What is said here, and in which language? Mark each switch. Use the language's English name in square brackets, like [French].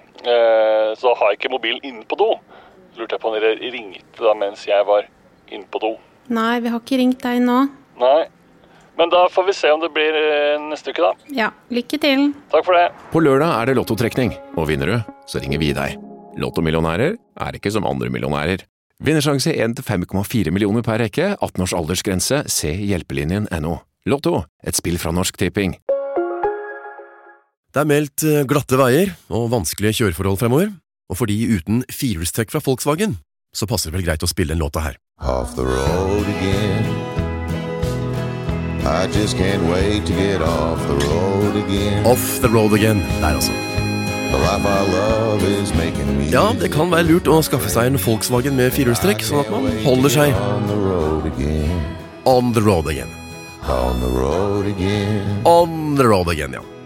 [Norwegian] Så har jeg ikke mobilen inne på do. Lurte jeg på om dere ringte da mens jeg var inne på do. Nei, vi har ikke ringt deg nå. Nei. Men da får vi se om det blir neste uke da. Ja, lykke til. Takk for det. På lørdag er det lottotrekning, og vinner du, så ringer vi deg. Lottomillionærer er ikke som andre millionærer. Vinnersjanse 1-5,4 millioner per rekke, 18 års aldersgrense, se hjelpelinjen.no. Lotto, et spill fra Norsk Tipping. Det meldt glatte veier og vanskelige kjøreforhold fremover. Og fordi uten firehjulstrekk fra Volkswagen, så passer det vel greit å spille en låta her. [English] Off the road again. I just can't wait to get off the road again. Off the road again, [Norwegian] der altså. [English] The life I love is making me. [Norwegian] Ja, det kan være lurt å skaffe seg en Volkswagen med firehjulstrekk, sånn at man holder seg [English] on the road again. On the road again. On the road again. On the road again, ja.